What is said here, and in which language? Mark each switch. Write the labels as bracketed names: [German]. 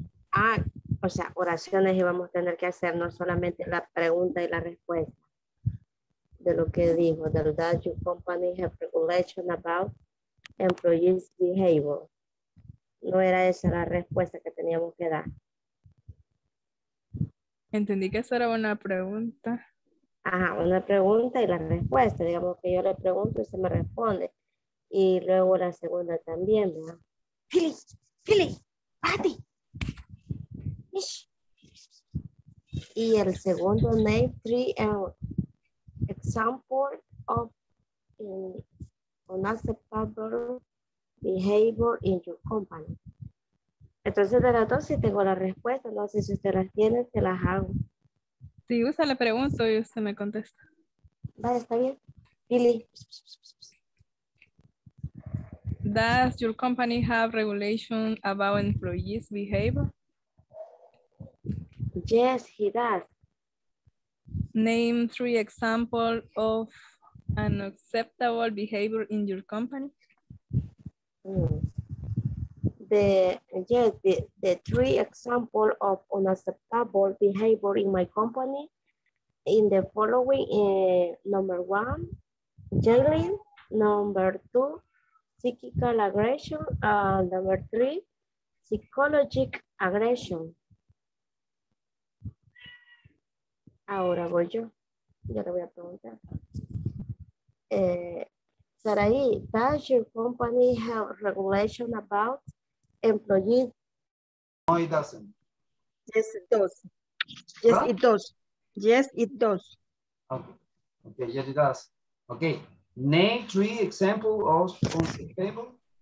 [Spanish] Ah, o sea, oraciones íbamos a tener que hacer, no solamente la pregunta y la respuesta. De lo que dijo, [English] that your company have regulation about employees' behavior. [Spanish] No era esa la respuesta que teníamos que dar. Entendí que esa era una pregunta. Ajá, una pregunta y la respuesta. Digamos que yo le pregunto y se me responde. Y luego la segunda también, ¿verdad? Fili, Fili, Patty. Y el segundo, [English] name three and example of unacceptable behavior in your company. [Spanish] Entonces, de las dos, si tengo la respuesta, no sé si usted las tiene, se las hago. Si usted le pregunto y usted me contesta. Vale, está bien. Billy. [English] Does your company have regulation about employees' behavior? Yes, he does. Name three examples of unacceptable behavior in your company. The three examples of unacceptable behavior in my company in the following, number one, juggling, number two, psychical aggression, number three, psychologic aggression. [Spanish] Ahora voy yo, ya le voy a preguntar. [English] Sarai, does your company have regulation about employees? No, it doesn't. Yes, it does. Yes, huh? It does. Yes, it does. Okay, okay, yes, it does. Okay, name three examples of unacceptable.